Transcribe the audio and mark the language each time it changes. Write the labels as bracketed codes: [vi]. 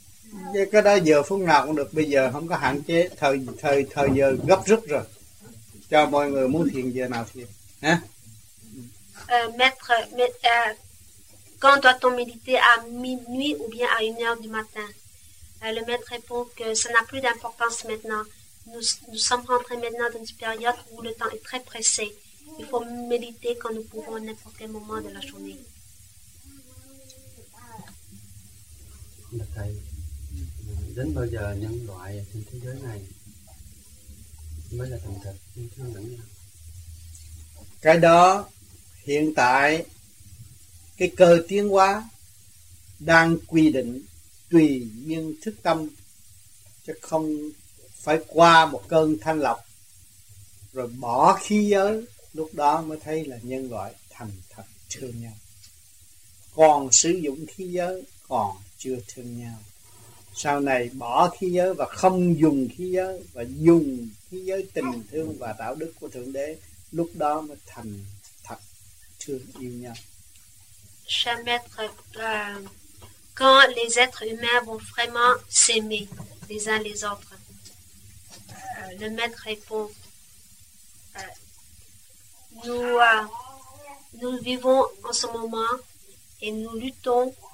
[vi] Vậy cái đó giờ phút nào cũng được, bây giờ không có hạn chế thời giờ gấp rút rồi, cho mọi người muốn thiền giờ nào thiền hả? [fr] Maître, quand doit-on méditer, à minuit ou bien à 1h du matin? Le maître répond que ça n'a plus d'importance maintenant. Nous sommes rentrés maintenant dans une période où le temps est très pressé. Il faut méditer quand nous pouvons, à n'importe quel moment de la journée. [vi] Thầy, đến bao giờ nhân loại trên thế giới này mới là thành thật yêu thương lẫn nhau? Cái đó hiện tại cái cơ tiến hóa đang quy định tùy duyên thức tâm, chứ không phải qua một cơn thanh lọc rồi bỏ khí giới, lúc đó mới thấy là nhân loại thành thật thương nhau. Còn sử dụng khí giới còn chưa thương nhau. Sau này bỏ khí giới và không dùng khí giới, và dùng khí giới tình thương và đạo đức của Thượng Đế, lúc đó mới thành thật thương yêu nhau. [fr] Cher maître, quand les êtres humains vont vraiment s'aimer les uns les autres? Le maître répond, nous vivons en ce moment et nous luttons.